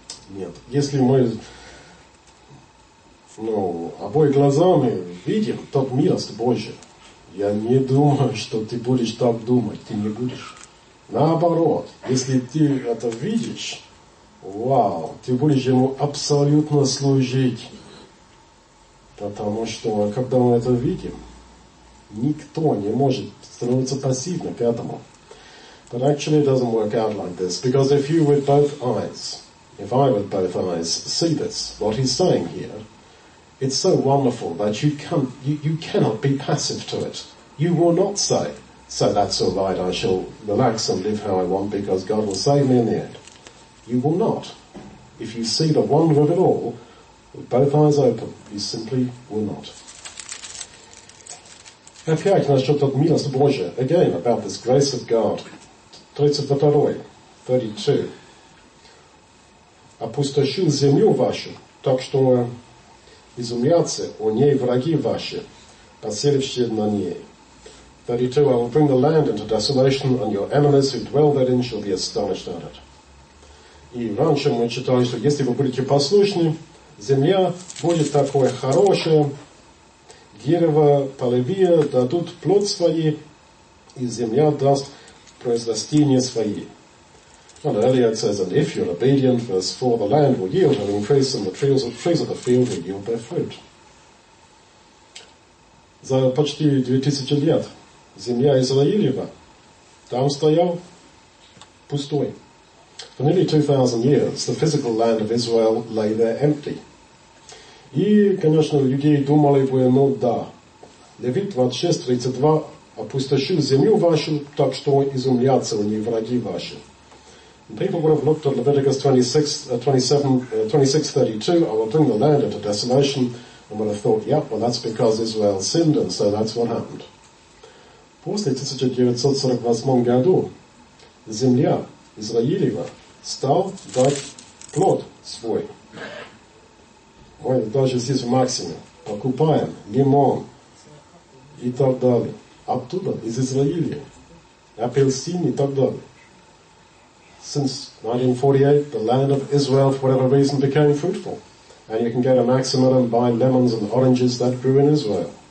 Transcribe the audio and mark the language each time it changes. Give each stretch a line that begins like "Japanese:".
Russian: Нет. Если мы обоими глазами видим тот милость Божий, я не думаю, что ты будешь так думать, ты не будешь. Наоборот, если ты это видишь, вау, ты будешь ему абсолютно служить. Потому что, когда мы это видим, никто не может становиться пассивным к этому.
English: But actually it doesn't work out like this. Because if you with both eyes, if I with both eyes see this, what he's saying here, it's so wonderful that you cannot be passive to it. You will not say, so that's all right, I shall relax and live how I want because God will save me in the end. You will not. If you see the wonder of it all, with both eyes open, you simply will not.
Russian: Опять насчет от милости Божия.
English: Again, about this grace of God. 32.
Russian: опустошил землю вашу, так что изумятся о ней враги ваши, поселившие на ней. 32.
English: I will bring the land into desolation, and your enemies who dwell therein shall be astonished at it.
Russian: И раньше мы читали, что если вы будете послушны, земля будет такое хорошее, дерево, полевые дадут плод свои, и земля даст произрастения свои.
English: And earlier it says, and if you're obedient, verse 4, the land will yield and increase, and the trees of the field will yield their fruit.
Russian: За почти 2000 лет земля Израилева там стоял пустой.
English: For nearly 2000 years, the physical land of Israel lay there empty.
Russian: И, конечно, люди думали бы, ну да, Левит 26:32, опустошил землю вашу, так что изумлятся у ней враги ваши.
English: And people would have looked at Leviticus 26:32, I will bring the land into desolation, and would have thought, yep, well, that's because Israel sinned, and so that's what happened.
Russian: После 1948 году земля Израилева стала дать плод свой. Мы даже здесь в Максиме покупаем лимон и так далее. Оттуда, из Израиля, апельсин и так далее.
English: Since 1948, the land of Israel, for whatever reason, became fruitful. And you can go to Maximum and buy lemons and oranges that grew in Israel.